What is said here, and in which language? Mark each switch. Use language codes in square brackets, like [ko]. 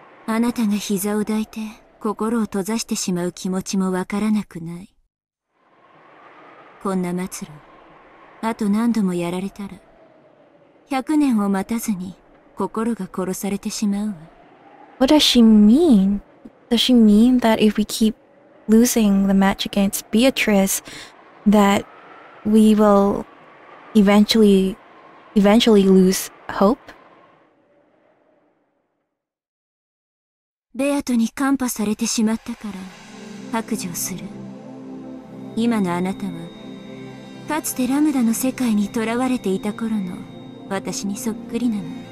[ja] あなたが膝を抱いて心を閉ざしてしまう気持ちもわからなくない。こんな末路、あと何度もやられたら、百年を待たずに心が殺されてしまうわ。 [en] What does she mean? Does she mean that if we keep losing the match against Beatrice, that we will eventually lose hope? [ja] ベアトに感化されてしまったから白状する。今のあなたはかつてラムダの世界に囚われていた頃の私にそっくりなの。